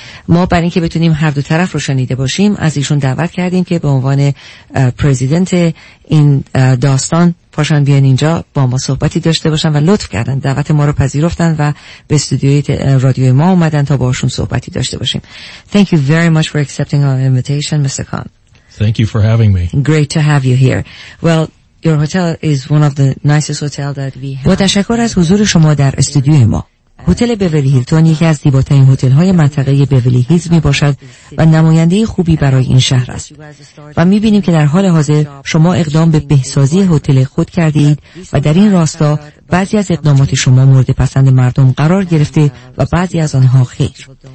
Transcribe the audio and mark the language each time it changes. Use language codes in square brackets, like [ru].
[fa] ما برای اینکه بتونیم هر دو طرف رو شنیده باشیم از ایشون دعوت کردیم که به عنوان پرزیدنت این داستان پاشن بیان اینجا با ما صحبتی داشته باشن و لطف کردن، دعوت ما رو پذیرفتن و به استودیوی رادیوی ما اومدن تا باشون صحبتی داشته باشیم. [en] Thank you very much for accepting our invitation, Mr. Khan. Thank you for having me. Great to have you here. Well, your hotel is one of the nicest hotels that we have. [fa] با تشکر از حضور شما در استودیوی ما. هتل بیولی هیلتون یکی از زیباترین هتل‌های منطقه بیولی هیلز می باشد و نماینده خوبی برای این شهر است و می بینیم که در حال حاضر شما اقدام به بهسازی هتل خود کرده اید و در این راستا بعضی از اقدامات شما مورد پسند مردم قرار گرفته و بعضی از آنها خیر.